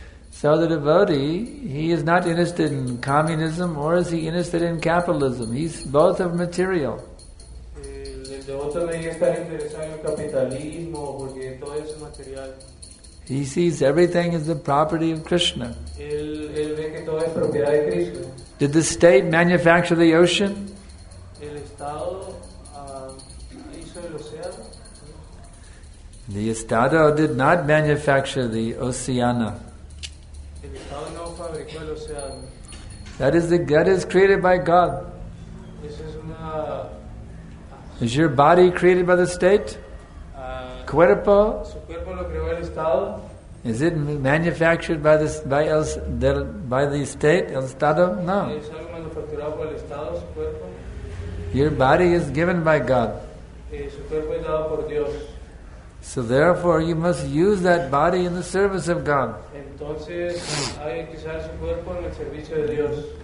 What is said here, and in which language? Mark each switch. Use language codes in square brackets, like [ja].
[en] So the devotee, he is not interested in communism or is he interested in capitalism. He's both of material. [es] El devoto no debería estar interesado en el capitalismo porque todo es material. [en] He sees everything as the property of Krishna. [es] Él ve que todo es propiedad de Krishna. [en] Did the state manufacture the ocean? [es] El Estado, hizo el océano. [en] The Estado did not manufacture the oceana. [es] El Estado no fabricó el océano. [en] That is created by God. [es] Eso es una... [en] Is your body created by the state? Cuerpo? [es] Su cuerpo lo creó el Estado. [en] Is it manufactured by the state, el Estado? No. [es] ¿Es algo manufacturado por el Estado, su cuerpo? [en] Your body is given by God. [es] Su cuerpo es dado por Dios. [en] So therefore you must use that body in the service of God. [es] Entonces, hay que usar su cuerpo en el servicio de Dios.